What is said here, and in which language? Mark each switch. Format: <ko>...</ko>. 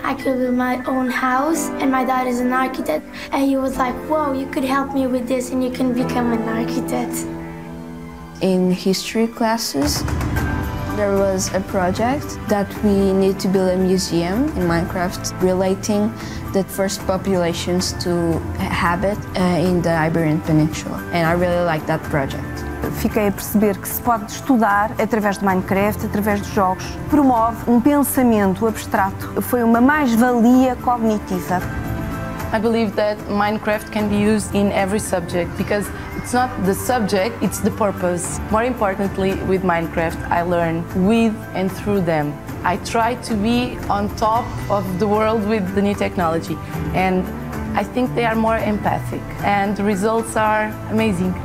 <en>I could build my own house, and my dad is an architect, and he was like, whoa, you could help me with this and you can become an architect. In history classes, there was a project that we need to build a museum in Minecraft relating the first populations to habit in the Iberian Peninsula. And I really liked that project.</en> <pt>Fiquei a perceber que se pode estudar através de Minecraft, através de jogos, promove pensamento abstrato. Foi uma mais-valia cognitiva.</pt> <en>I believe that Minecraft can be used in every subject because it's not the subject, it's the purpose. More importantly, with Minecraft, I learn with and through them. I try to be on top of the world with the new technology, and I think they are more empathic, and the results are amazing.</en>